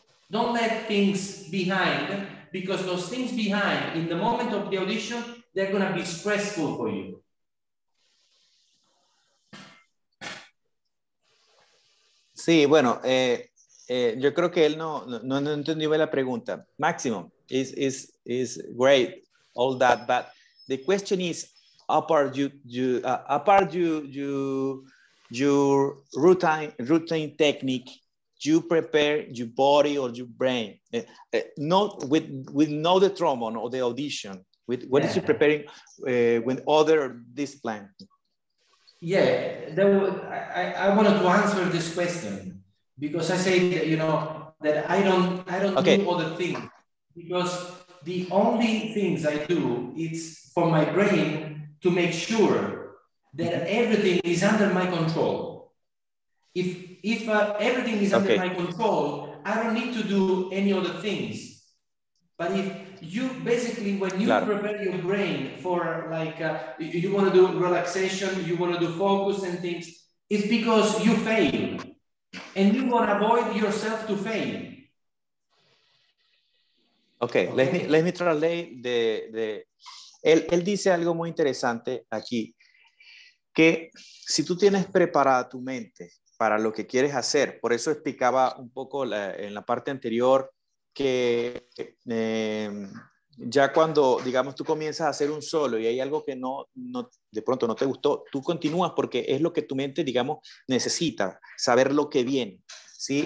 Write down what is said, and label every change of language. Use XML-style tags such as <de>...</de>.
<en>Don't let things behind, because those things behind in the moment of the audition, they're gonna be stressful for you.</en> <es>Sí, bueno, yo creo que él no entendió la pregunta.</es> <en>Máximo, is great all that, but the question is, apart your routine technique, you prepare your body or your brain, not with the trombone or the audition. What is you preparing with other discipline? Yeah, I wanted to answer this question because I say that, you know, that I don't do other things, because the only things I do is for my brain to make sure that everything is under my control. If everything is under my control, I don't need to do any other things. But if you basically, when you claro. prepare your brain for like, you want to do relaxation, you want to do focus and things, it's because you fail. And you want to avoid yourself to fail.</en> <es>Okay, let me translate the él dice algo muy interesante aquí, que si tú tienes preparada tu mente para lo que quieres hacer, por eso explicaba un poco en la parte anterior que ya cuando, digamos, tú comienzas a hacer un solo y hay algo que no de pronto no te gustó, tú continúas porque es lo que tu mente, digamos, necesita, saber lo que viene, ¿sí?</es>